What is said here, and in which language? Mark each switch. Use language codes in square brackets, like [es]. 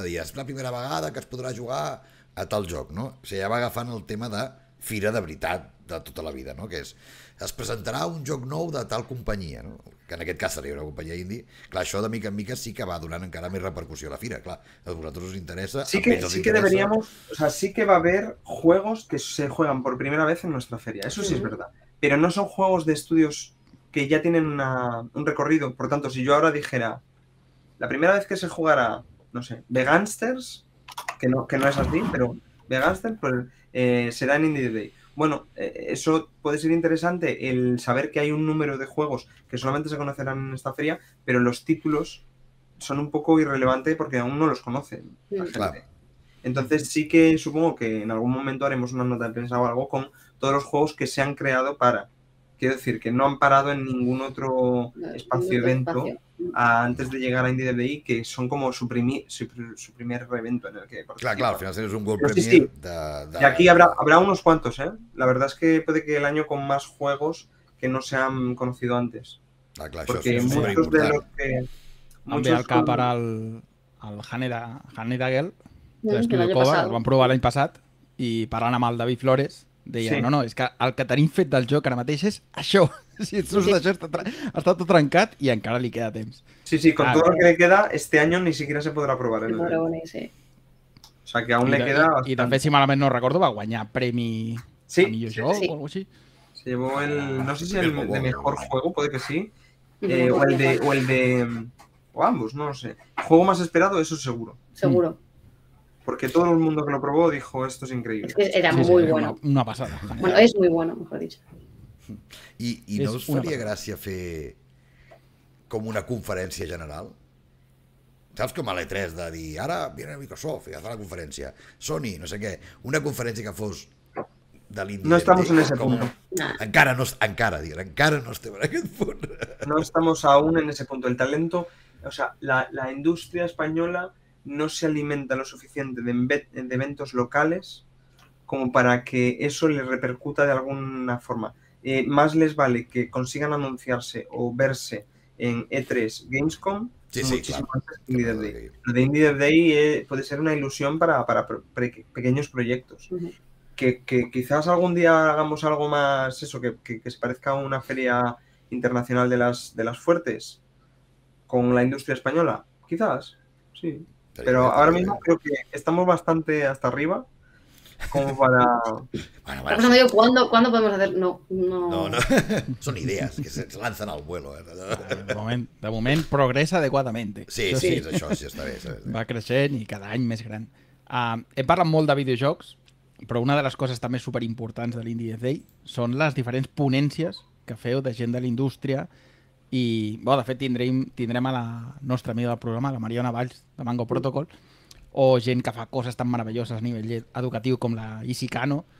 [ca] Deia, és la primera vegada que es podrà jugar a tal joc, no? O sigui, ja va agafant el tema de fira de veritat de tota la vida, no? Que és... es presentarà un joc nou de tal companyia, no? Que en aquest cas seria una companyia indie. Clar, això de mica en mica sí que va donant encara més repercussió a la fira. Clar, a vosaltres us interessa... [es] Sí que, deberíamos... O sea, sí que [ca] va haver [es] juegos que se juegan por primera vez en nuestra feria. Eso sí es verdad. Pero no son juegos de estudios que ya tienen una, un recorrido. Por tanto, si yo ahora dijera la primera vez que se jugara, no sé, Vegansters, que no es así, pero Vegansters, pues será en Indie Day. Bueno, eso puede ser interesante, el saber que hay un número de juegos que solamente se conocerán en esta feria, pero los títulos son un poco irrelevantes porque aún no los conoce la gente. Claro. Entonces sí que supongo que en algún momento haremos una nota de prensa o algo con todos los juegos que se han creado para... Quiero decir, que no han parado en ningún otro evento antes de llegar a Indie DBI, que son como su primer evento en el que... Claro, al final es un World Premiere. Y aquí habrá unos cuantos, ¿eh? La verdad es que puede que el año con más juegos que no se han conocido antes. Claro, porque eso es muchos de los que... [ca] Muchos al cap ara al Haneda Girl, de l'Estudio Cova, el van provar l'any passat, i parlant amb el David Flores... deia, sí. No, és que el que tenim fet del joc ara mateix és això. Si et surts d'això, està tot trencat i encara li queda temps. [es] Sí, sí, con todo lo que le queda, este año ni siquiera se podrá probar. Sí, [ca] podrà venir, sí. [es] O sea, que aún le queda bastante. [ca] I també, si malament no recordo, va guanyar premi sí, a millor sí, joc sí. [es] O algo així. Se llevó el, no sé si el de mejor juego, puede que sí, o el de, o ambos, no lo sé. Juego más esperado, eso seguro. Seguro. Mm. Porque todo el mundo que lo probó dijo, esto es increíble. Es que era sí, muy sí, bueno. Una pasada. Bueno, es muy bueno, mejor dicho. [ca] I no us faria gràcia fer com una conferència general? Saps com a l'E3 de dir, ara viene Microsoft i ha de fer la conferència. Sony, no sé què. Una conferència que fos de l'Indie. [es] No estamos en ese punto. [ca] Encara no estem en aquest punt. [es] No estamos aún en ese punto. El talento, o sea, la industria española no se alimenta lo suficiente de eventos locales como para que eso les repercuta de alguna forma. Más les vale que consigan anunciarse o verse en E3 Gamescom, muchísimo antes que Indie Day. Lo de Indie Day puede ser una ilusión para pequeños proyectos. Que quizás algún día hagamos algo más eso, que se parezca a una feria internacional de las fuertes con la industria española. Quizás, sí. Pero ahora mismo creo que estamos bastante hasta arriba como para... Bueno, ¿cuándo podemos hacer? No. Son ideas que se lanzan al vuelo. [ca] De moment progressa adequadamente. Sí, sí, sí, és això, sí, està bé. Va creixent i cada any més gran. He parlat molt de videojocs, però una de les coses també superimportants de l'Indie Day són les diferents ponències que feu de gent de la indústria. I, bo, de fet, tindrem a la nostra amiga del programa, la Mariona Valls, de Mango Protocol, o gent que fa coses tan meravelloses a nivell educatiu com la Isicano.